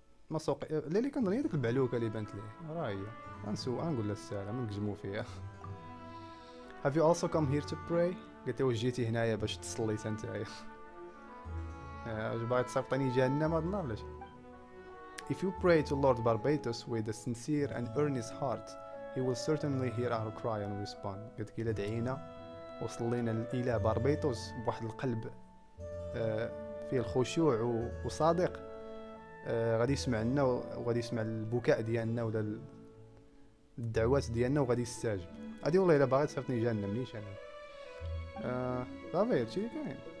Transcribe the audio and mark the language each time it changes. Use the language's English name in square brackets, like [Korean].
[Arabic] ما سوق ليلي كنظن هي ديك البعلوكه اللي بانت ليه، راه هي غنسول غنقول لها السلام نكزمو فيها. [English] have you also come here to pray [Arabic] قلت له جيتي هنايا باش تصلي انت يا باغي تصيفطني جهنم هاد النهار ولا شي. [English] If you pray to Lord Barbados with a sincere and earnest heart, he will certainly hear our cry and respond. [Arabic] قلت كي لدعينا وصلينا الى باربيتوس بواحد القلب فيه الخشوع وصادق غادي يسمع لنا وغادي يسمع البكاء ديالنا ولا الدعوات ديالنا وغادي يستجب. هادي والله الا باغي تصيفطني جهنم مليش انا صافي هادشي اللي كاين.